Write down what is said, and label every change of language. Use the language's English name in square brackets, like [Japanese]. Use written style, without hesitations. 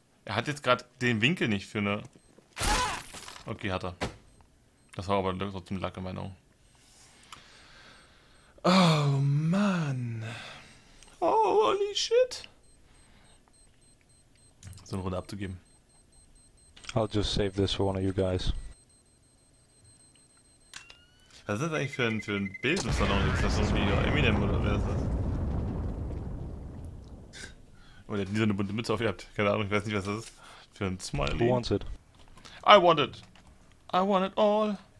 [German] Er hat jetzt gerade den Winkel nicht für eine. Okay, hat er. Das war aber trotzdem Lack in meinen Augen. [English] Oh Mann. Oh, holy shit. [German] So eine Runde abzugeben. [English] I'll just save this for one of you guys. [German] Was ist das eigentlich für ein Bild, was da noch ist? Das ist irgendwie ja, Eminem oder wer ist das? Oh, der hat nie so eine bunte Mütze auf, ihr habt keine Ahnung, ich weiß nicht, was das ist. Für ein Smiley. [English] Who wants it? I want it! I want it all!